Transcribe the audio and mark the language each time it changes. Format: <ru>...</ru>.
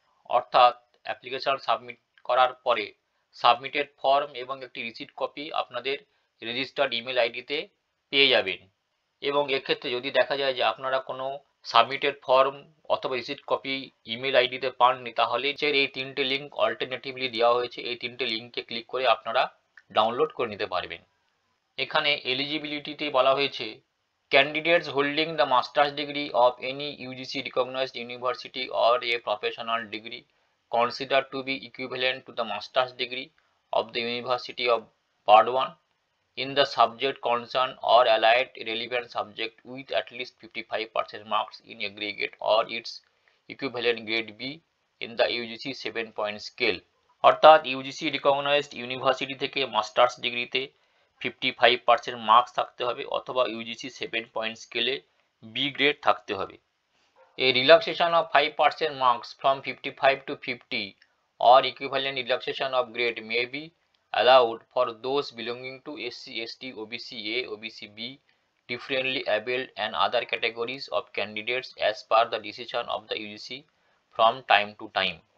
<bn>অর্থাৎ application submit করার পরে সাবমিটেড ফর্ম এবং একটি রিসিপ্ট কপি আপনাদের রেজিস্টার্ড ইমেল আইডিতে পেয়ে যাবেন এবং এক্ষেত্রে যদি দেখা যায় যে আপনারা কোনো সাবমিটেড ফর্ম অথবা রিসিপ্ট কপি ইমেল আইডিতে পাননি তাহলে যে এই তিনটে লিঙ্ক অল্টারনেটিভলি দেওয়া হয়েছে এই তিনটে লিঙ্কে ক্লিক করে আপনারা ডাউনলোড করে নিতে পারবেন। এখানে এলিজিবিলিটিতে বলা হয়েছে</bn> <en>Candidates holding the master's degree of any UGC recognized university or a professional degree consider to be equivalent to the master's degree of the University of Burdwan in the subject concerned or allied relevant subject with at least 55% marks in aggregate or its equivalent grade B in the UGC 7-point scale.</en> <bn>অর্থাৎ UGC recognised university থেকে masters ডিগ্রিতে 55% marks থাকতে হবে অথবা UGC 7-point স্কেলে B grade থাকতে হবে।</bn> <en>এই relaxation of 5% marks from 55 to 50 or equivalent relaxation of grade may be allowed for those belonging to SC ST OBC A OBC B differently abled and other categories of candidates as per the decision of the UGC from time to time.</en>